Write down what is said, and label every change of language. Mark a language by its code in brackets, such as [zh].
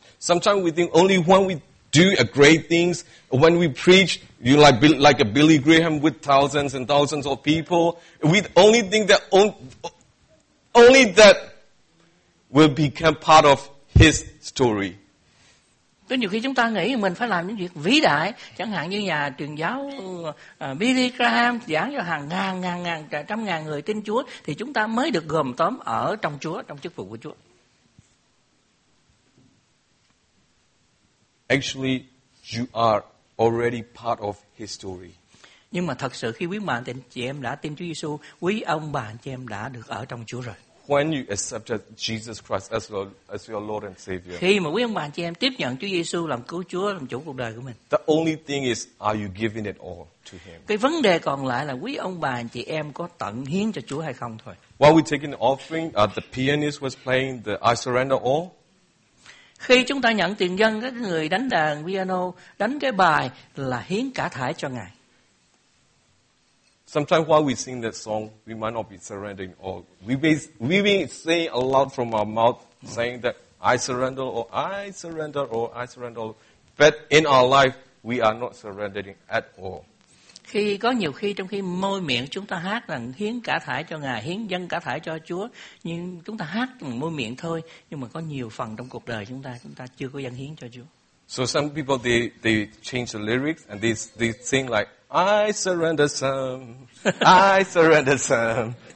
[en] Sometimes we think only when we do a great things, when we preach, you like a Billy Graham with thousands and thousands of people, we only think that only that will become part of his story. [vi] Có nhiều khi chúng ta nghĩ mình phải làm những việc vĩ đại, chẳng hạn như nhà truyền giáo Billy Graham giảng cho hàng ngàn cả trăm ngàn người tin Chúa, thì chúng ta mới được gồm tóm ở trong Chúa, trong chức vụ của Chúa. [en] Actually, you are already part of his story. [vi] Nhưng mà thật sự khi quý bạn chị em đã tin Chúa Giêsu, quý ông bà chị em đã được ở trong Chúa rồi. [en] When you accepted Jesus Christ as Lord, as your Lord and Savior. [vi] Khi mà quý ông bà chị em tiếp nhận Chúa Giêsu làm cứu Chúa, làm chủ cuộc đời của mình. [en] The only thing is, are you giving it all to him? [vi] Cái vấn đề còn lại là quý ông bà chị em có tận hiến cho Chúa hay không thôi. [en] While we taking the offering, the pianist was playing the I Surrender All. [vi] Khi chúng ta nhận tiền dân, cái người đánh đàn piano đánh cái bài là hiến cả thải cho Ngài. [en] Sometimes while we sing that song, we might not be surrendering all. We may say a lot from our mouth saying that I surrender all, but in our life we are not surrendering at all. [vi] Khi có nhiều khi trong khi môi miệng chúng ta hát rằng hiến cả thải cho Ngài, hiến dâng cả thải cho Chúa, nhưng chúng ta hát rằng môi miệng thôi, nhưng mà có nhiều phần trong cuộc đời chúng ta chưa có dâng hiến cho Chúa. [en] So some people they change the lyrics and they sing like I surrender some.